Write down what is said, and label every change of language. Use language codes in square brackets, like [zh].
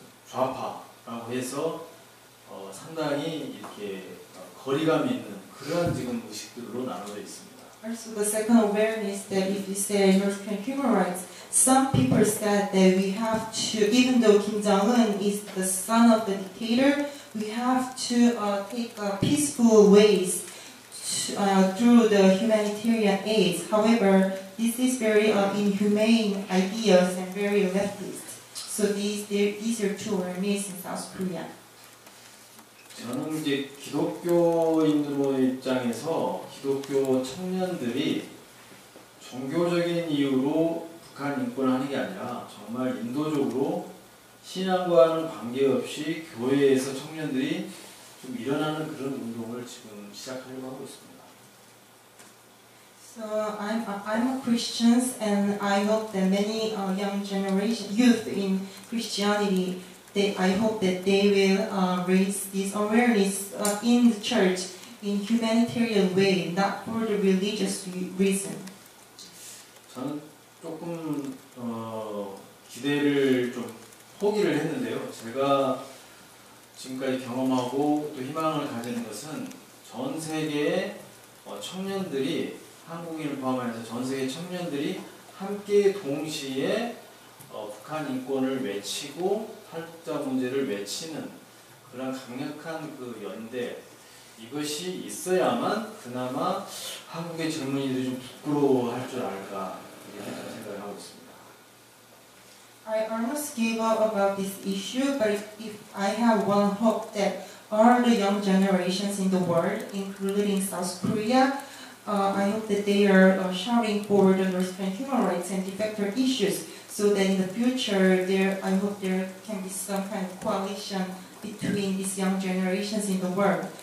[ko] 좌파라고 해서 상당히 이렇게 거리감이 있는 그런 지금 의식들로 나눠져 있습니다. [en] Also, the second awareness that if you say North Korean human rights, some people said that we have to, even though Kim Jong-un is the son of the dictator, we have to take peaceful ways to, through the humanitarian aid. However, this is very inhumane ideas and very leftist. So these are two awareness in South Korea. [ko] 저는 이제 기독교인으로 입장에서 기독교 청년들이 종교적인 이유로 북한 인권을 하는 게 아니라 정말 인도적으로 신앙과는 관계없이 교회에서 청년들이 좀 일어나는 그런 운동을 지금 시작하려고 하고 있습니다. [en] So I'm a Christian and I hope that many young generation youth in Christianity I hope that they will raise this awareness in the church in humanitarian way, not for the religious reason. [ko] 저는 조금 기대를 좀 포기를 했는데요. 제가 지금까지 경험하고 또 희망을 가지는 것은 전 세계의 청년들이 한국인을 포함해서 전 세계 청년들이 함께 동시에 북한 인권을 외치고 탈북자 문제를 외치는 그런 강력한 그 연대 이것이 있어야만 그나마 한국의 젊은이들이 좀 부끄러워할 줄 알까 이렇게 생각을 하고 있습니다. [en] I almost gave up about this issue, but if I have one hope that all the young generations in the world, including South Korea, I hope that they are showing for the North Korean human rights and defector issues, so that in the future, I hope there can be some kind of coalition between these young generations in the world.